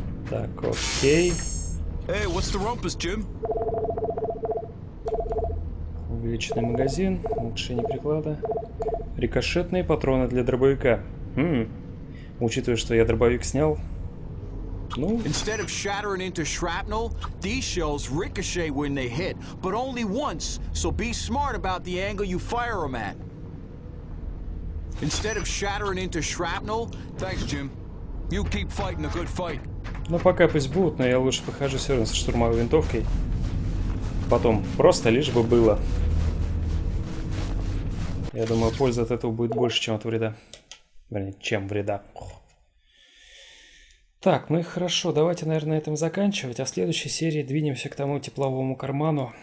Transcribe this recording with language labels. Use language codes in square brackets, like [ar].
[ru] Так, окей. [en] Hey, what's the rumpus, Jim? [ru] Увеличенный магазин, улучшение приклада. Рикошетные патроны для дробовика. Учитывая, что я дробовик снял. Ну. [en] Instead of shattering into shrapnel, these shells ricochet when they hit, but only once. So be smart about the angle you fire them at. Instead of shattering into shrapnel. Thanks, Jim. You keep fighting a good fight. [ru] Ну пока пусть будут, но я лучше похожу все равно со штурмовой винтовкой. Потом просто лишь бы было. Я думаю, польза от этого будет больше, чем от вреда. Вернее, чем вреда. Так, ну и хорошо, давайте, наверное, на этом заканчивать. А в следующей серии двинемся к тому тепловому карману.